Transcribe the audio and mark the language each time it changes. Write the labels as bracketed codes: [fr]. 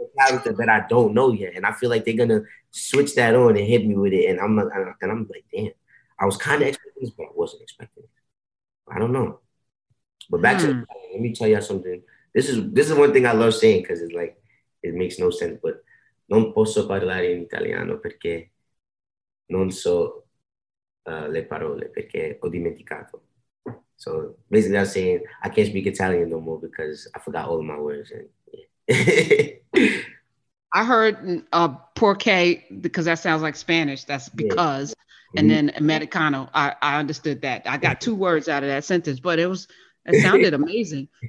[en] Character that I don't know yet. And I feel like they're going to switch that on and hit me with it. And I'm like, damn. I was kind of expecting this, but I wasn't expecting it. I don't know. But back to let me tell y'all something. This is one thing I love saying because it's it makes no sense. But [it] non posso parlare in italiano perché non so le parole perché ho dimenticato. [en] So basically, I'm saying I can't speak Italian no more because I forgot all of my words. And, yeah. I heard por qué, because that sounds like Spanish. That's because. Yeah. And then Americano, I understood that. I got two words out of that sentence, but it sounded amazing.